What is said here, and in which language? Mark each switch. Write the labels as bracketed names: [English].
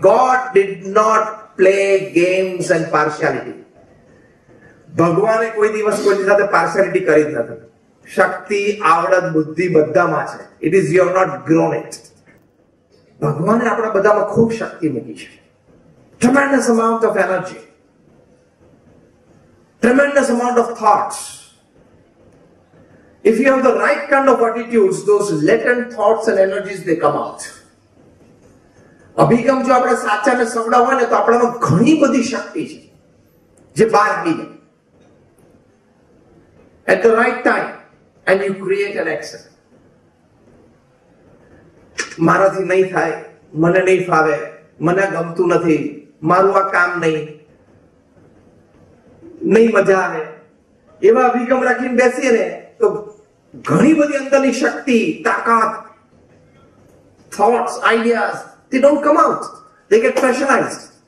[English] God did not play games and partiality. [Gujarati] ભગવાન એ કોઈ દિવસ કોઈની સાથે પાર્શિયાલિટી કરી જ નથી. શક્તિ આવડત બુદ્ધિ બધામાં છે. [English] It is you have not grown it. [Gujarati] ભગવાને આપણા બધામાં ખૂબ શક્તિ મૂકી છે. [English] Tremendous amount of energy, tremendous amount of thoughts. If you have the right kind of attitudes, those latent thoughts and energies they come out. [Gujarati] અભિગમ જો આપણે સાચાને સવડા હોય ને તો આપણામાં ઘણી બધી શક્તિ છે જે બહાર નીકળે. [English] At the right time, and you create an action. [Gujarati] મારાથી નહીં થાય, મને નહીં ફાવે, મને ગમતું નથી, મારું આ કામ નહીં મજા આવે, એવા અભિગમ રાખીને બેસીએ ને તો ઘણી બધી અંદરની શક્તિ, તાકાત, thoughts, ideas, [English] They don't come out, they get pressurised.